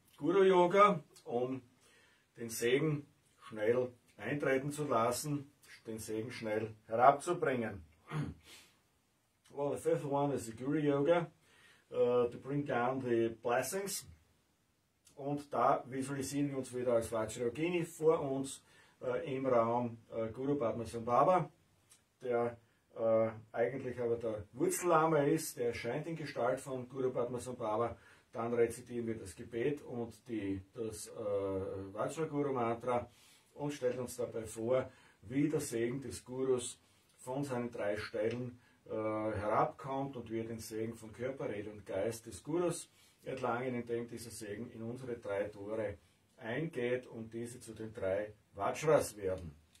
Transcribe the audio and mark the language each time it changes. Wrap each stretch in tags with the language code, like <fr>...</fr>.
<de>Guru Yoga, um den Segen schnell eintreten zu lassen, den Segen schnell herabzubringen.</de> <en>Well, the fifth one is the Guru Yoga, to bring down the blessings.</en> <de>Und da visualisieren wir uns wieder als Vajrayogini vor uns im Raum Guru Padmasambhava, der eigentlich aber der Wurzellame ist, der erscheint in Gestalt von Guru Padmasambhava. Dann rezitieren wir das Gebet und das Vajraguru Mantra und stellen uns dabei vor, wie der Segen des Gurus von seinen drei Stellen herabkommt und wie er den Segen von Körper, Rede und Geist des Gurus erlangen, indem dieser Segen in unsere drei Tore eingeht und diese zu den drei Vajras werden.</de>